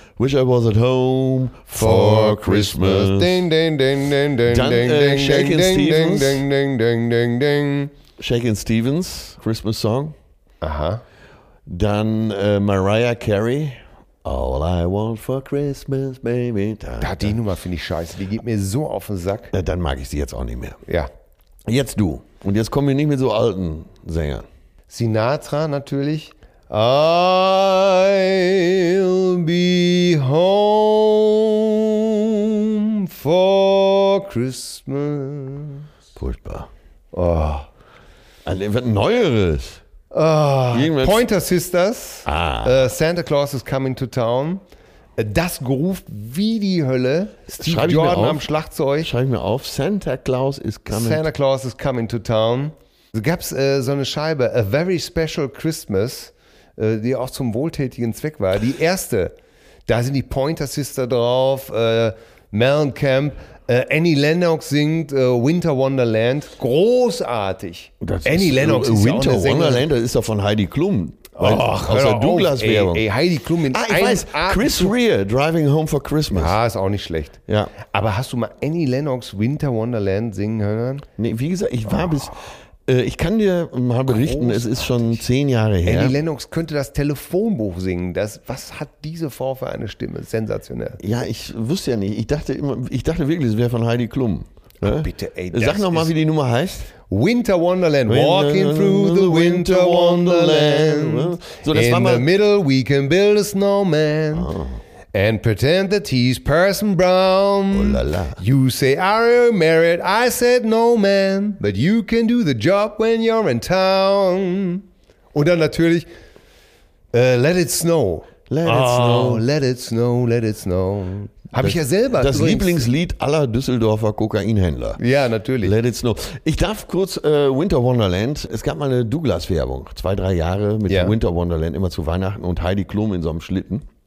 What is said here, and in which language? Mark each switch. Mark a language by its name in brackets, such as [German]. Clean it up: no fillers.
[English] Wish I was at home for Christmas. Ding ding ding ding ding ding ding ding ding ding ding ding ding. Shakin' Stevens Christmas song. Aha. [German] Dann Mariah Carey. [English] All I want for Christmas, baby. [German] Da die Nummer finde ich scheiße. Die geht mir so auf den Sack. Dann mag ich sie jetzt auch nicht mehr. Ja. Jetzt du. Und jetzt kommen wir nicht mit so alten Sängern. Sinatra natürlich. [English] I'll be home for Christmas. [German] Furchtbar. Oh. Ein neueres. Pointer Sisters. Ah. [English] Santa Claus is coming to town. [German] Das geruft wie die Hölle. Steve Schreib Jordan am Schlagzeug. Schreib ich mir auf. [English] Santa Claus is coming to town. [German] Es gab so eine Scheibe, A Very Special Christmas, die auch zum wohltätigen Zweck war. Die erste, da sind die Pointer Sister drauf, Mellencamp, Annie Lennox singt Winter Wonderland. Großartig. Das Annie Lennox ist ja auch eine Winter Wonderland, das ist doch von Heidi Klum. Douglas-Werbung. Ey, Heidi Klum in [English] Chris Rea, Driving Home for Christmas. [German] Ja, ist auch nicht schlecht. Ja. Aber hast du mal Annie Lennox Winter Wonderland singen hören? Nee, wie gesagt, ich war ich kann dir mal berichten, großartig. Es ist schon 10 Jahre her. Annie Lennox könnte das Telefonbuch singen. Was hat diese Frau für eine Stimme? Sensationell. Ja, ich wusste ja nicht. Ich dachte wirklich, es wäre von Heidi Klum. Oh, bitte, ey. Sag nochmal, wie die Nummer heißt. Winter Wonderland. [English] Walking through the winter wonderland. [German] So, das in war mal [English] the middle we can build a snowman. Oh. And pretend that he's Parson Brown. Oh la la. You say, are you married? I said, no man. But you can do the job when you're in town. [German] Und dann natürlich, [English] let it snow. Let it snow. [German] Habe ich ja selber. Das Lieblingslied aller Düsseldorfer Kokainhändler. Ja, natürlich. [English] Let it snow. [German] Ich darf kurz Winter Wonderland. Es gab mal eine Douglas-Werbung. 2-3 Jahre mit Winter Wonderland immer zu Weihnachten und Heidi Klum in so einem Schlitten.